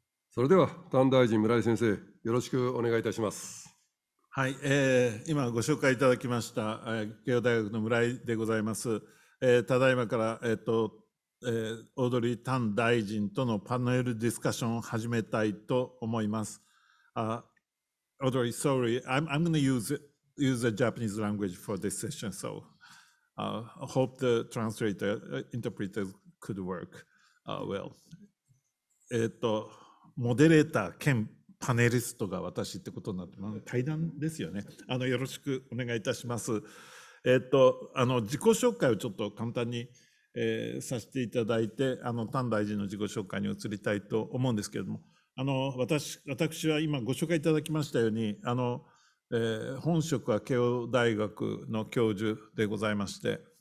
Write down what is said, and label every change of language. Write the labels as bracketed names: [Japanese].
[Japanese] それでは、丹大臣村井先生、よろしくお願いいたします。はい、今ご紹介いただきました、慶応大学の村井でございます。ただいまから、オードリー・タン大臣とのパネルディスカッションを始めたいと思います。 [English] オードリー、sorry, I'm going to use the Japanese language for this session, so hope the translator, interpreter could work well. [Japanese] モデレーター兼パネリストが私ってことになって、対談ですよね。よろしくお願いいたします。自己紹介をちょっと簡単に、させていただいて、タン大臣の自己紹介に移りたいと思うんですけれども、私は今ご紹介いただきましたように本職は慶応大学の教授でございまして、